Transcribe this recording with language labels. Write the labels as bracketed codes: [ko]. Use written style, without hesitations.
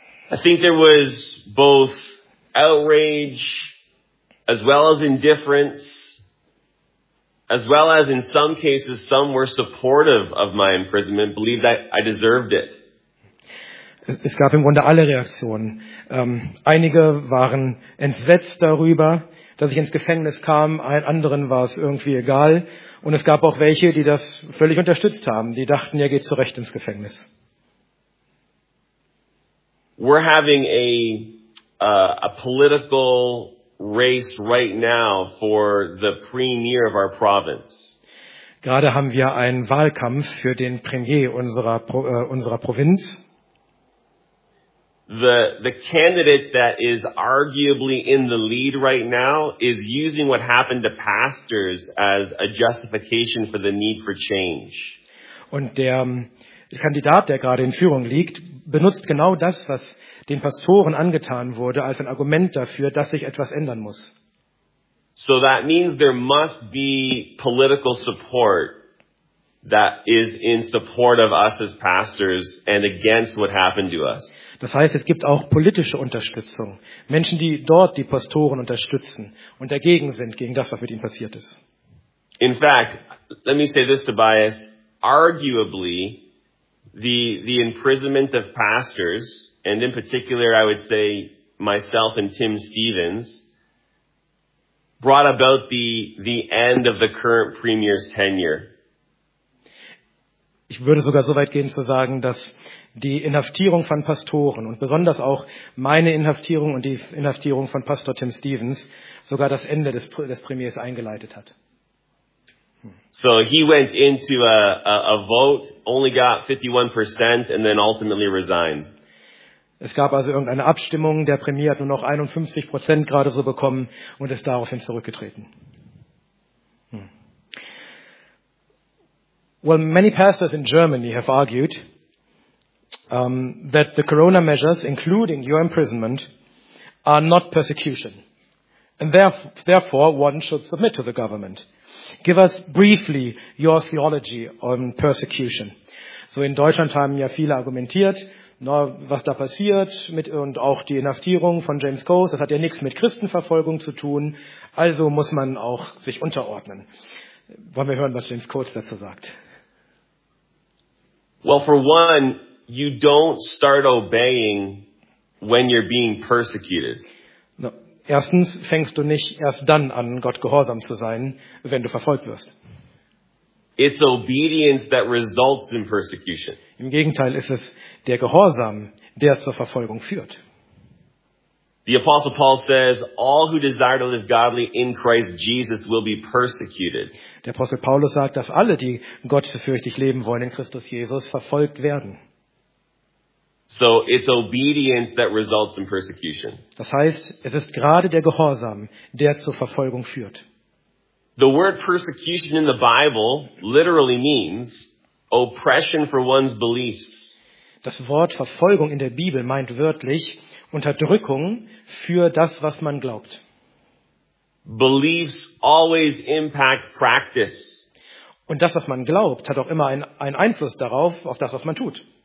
[en] I think there was both outrage as well as indifference, as well as in some cases some were supportive of my imprisonment, believed that I deserved it. [de] Es gab im Grunde alle Reaktionen. Einige waren entsetzt darüber, dass ich ins Gefängnis kam, anderen war es irgendwie egal. Und es gab auch welche, die das völlig unterstützt haben. Die dachten, ihr geht zu Recht ins Gefängnis. [en] We're having a political race right now for the premier of our province. [de] Gerade haben wir einen Wahlkampf für den Premier unserer Provinz. [en] The candidate that is arguably in the lead right now is using what happened to pastors as a justification for the need for change. [de] Und der Kandidat, der gerade in Führung liegt, benutzt genau das, was den Pastoren angetan wurde, als ein Argument dafür, dass sich etwas ändern muss. [en] So that means there must be political support that is in support of us as pastors and against what happened to us. [de] Das heißt, es gibt auch politische Unterstützung. Menschen, die dort die Pastoren unterstützen und dagegen sind, gegen das, was mit ihnen passiert ist. [en] In fact, let me say this, Tobias, arguably the imprisonment of pastors, and in particular I would say myself and Tim Stevens, brought about the end of the current premier's tenure. [de] Ich würde sogar so weit gehen zu sagen, dass die Inhaftierung von Pastoren und besonders auch meine Inhaftierung und die Inhaftierung von Pastor Tim Stevens sogar das Ende des Premiers eingeleitet hat. [en] So he went into a vote, only got 51% and then ultimately resigned. [de] Es gab also irgendeine Abstimmung, der Premier hat nur noch 51% gerade so bekommen und ist daraufhin zurückgetreten. [en] Well, many pastors in Germany have argued that the corona measures, including your imprisonment, are not persecution. And therefore, one should submit to the government. Give us briefly your theology on persecution. [de] So in Deutschland haben ja viele argumentiert, was da passiert mit und auch die Inhaftierung von James Coase, das hat ja nichts mit Christenverfolgung zu tun, also muss man auch sich unterordnen. Wollen wir hören, was James Coase dazu sagt? [en] Well, for one, you don't start obeying when you're being persecuted. [de] Erstens fängst du nicht erst dann an, Gott gehorsam zu sein, wenn du verfolgt wirst. [en] It's obedience that results in persecution. [de] Im Gegenteil ist es der Gehorsam, der zur Verfolgung führt. [en] The Apostle Paul says, all who desire to live godly in Christ Jesus will be persecuted. [de] Der Apostel Paulus sagt, dass alle, die gottesfürchtig leben wollen in Christus Jesus, verfolgt werden. [en] So it's obedience that results in persecution. [de] Das heißt, es ist gerade der Gehorsam, der zur Verfolgung führt. [en] The word persecution in the Bible literally means oppression for one's beliefs. [de] Das Wort Verfolgung in der Bibel meint wörtlich Unterdrückung für das, was man glaubt. [en] Beliefs always impact practice. [de] Und das, was man glaubt, hat auch immer einen Einfluss darauf, auf das, was man tut.